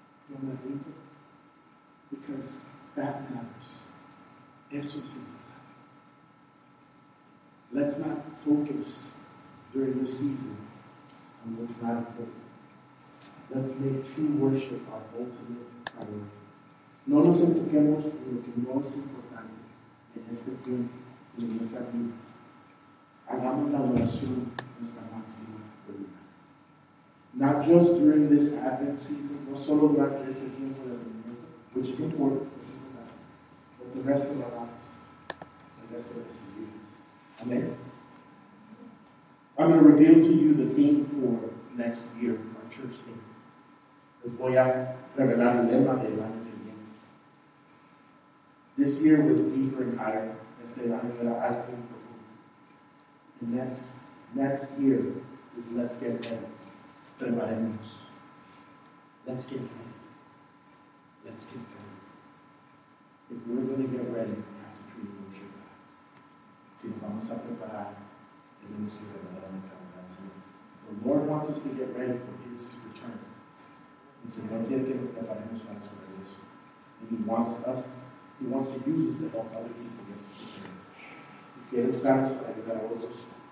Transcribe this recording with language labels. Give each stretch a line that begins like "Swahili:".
Spanish: Yo me rindo.
English: Because that matters.
Spanish: Eso es importante.
English: Let's not focus during this season on what's not important. Let's make true worship our ultimate.
Spanish: No nos enfoquemos en lo que no es importante en este tiempo y en nuestras vidas. Hagamos la oración nuestra máxima prioridad.
English: Not just during this Advent season,
Spanish: no solo durante este tiempo de Advent,
English: which is important,
Spanish: es importante,
English: but the rest of our lives, the rest of our vidas. Amen. I'm going to reveal to you the theme for next year, our church theme.
Spanish: Voy a revelar el lema del año que viene.
English: This year was deeper and higher.
Spanish: Este año era alto y profundo.
English: And next year is let's get ready.
Spanish: Preparemos.
English: Let's get ready. Let's get ready. If we're going to get ready, we have to truly worship God.
Spanish: Si nos vamos a preparar, tenemos que verdaderamente adorar al Señor.
English: The Lord wants us to get ready for His return.
Spanish: El Señor quiere que nos preparemos para su regreso.
English: And He wants to use us to help other people get prepared.
Spanish: Y quiere usarnos para ayudar a otros.